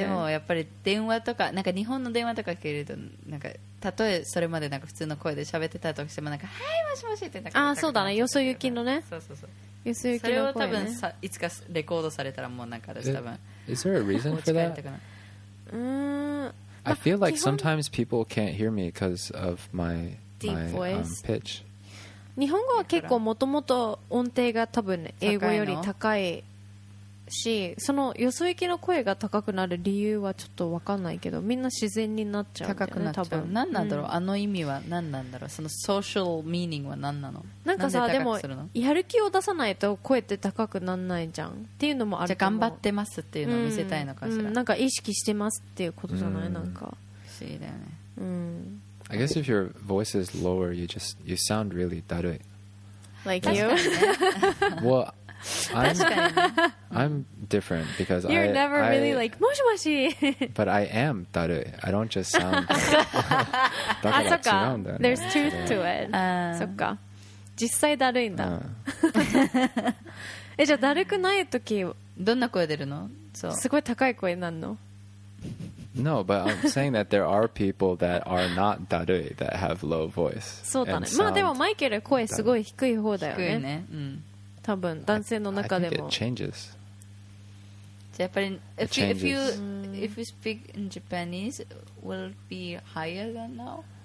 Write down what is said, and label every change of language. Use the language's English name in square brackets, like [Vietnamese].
[Japanese] でもやっぱり電話とかなんか日本の電話とかかけるとなんか。たとえそれまでなんか普通の声で喋ってたとしてもなんかはいもしもしってなんかあそうだねよそゆきのねそうそうそうよそゆきの声ねそれを多分さいつかレコードされたらもうなんか私多分 [English] Is there a reason for that? I feel like sometimes people can't hear me because of my deep voice pitch [Japanese] 日本語は結構もともと音程が多分英語より高いしそのよそ行きの声が高くなる理由はちょっと分かんないけどみんな自然になっちゃう、ね、高くなっちゃう何なんだろう、うん、あの意味は何なんだろうそのソーシャルミーニングは何なのなんかさ でもやる気を出さないと声って高くならないじゃんっていうのもあるじゃ頑張ってますっていうのを見せたいのかしら、うんうん、なんか意識してますっていうことじゃないなんか不思議だよね、うん、 [English] I guess if your voice is lower you sound really [Japanese] だるい [English] like you what I'm different because you're never really like moshi moshi. But I am darui. I don't just sound. [Japanese] あ、そっか。 [English] There's truth to it. [Japanese] そっか。実際だるいんだ。え、じゃあだるくない時どんな声出るの？すごい高い声なんの？ [English] No, but I'm saying that there are people that are not darui that have low voice. [Japanese] そうだね。まあでもマイケル声すごい低い方だよね。低いね。うん。多分男性の中でも。 [English] I think it changes. [Japanese] じゃやっぱり [English] if you speak in Japanese will be higher than now?